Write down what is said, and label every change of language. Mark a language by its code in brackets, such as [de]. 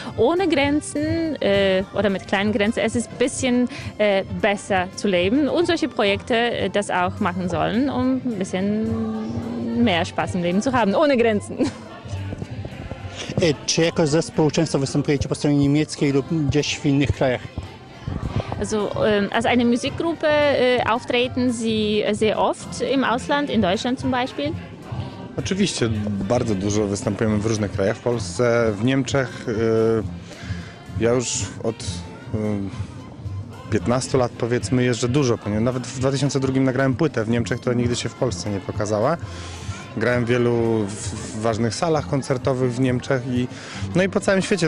[de] Ohne Grenzen oder mit kleinen Grenzen, es ist ein bisschen besser zu leben und solche Projekte das auch machen sollen, um ein bisschen mehr Spaß im Leben zu haben, ohne Grenzen. [pl] Czy jako zespół często występujecie po stronie niemieckiej lub gdzieś w innych krajach? [de] Also als eine Musikgruppe auftreten Sie sehr oft im Ausland, in Deutschland zum Beispiel? [pl] Oczywiście, bardzo dużo występujemy w różnych krajach, w Polsce, w Niemczech. Ja już od 15 lat powiedzmy jeżdżę dużo, ponieważ nawet w 2002 nagrałem płytę w Niemczech, która nigdy się w Polsce nie pokazała. Grałem w wielu ważnych salach koncertowych w Niemczech i po całym świecie.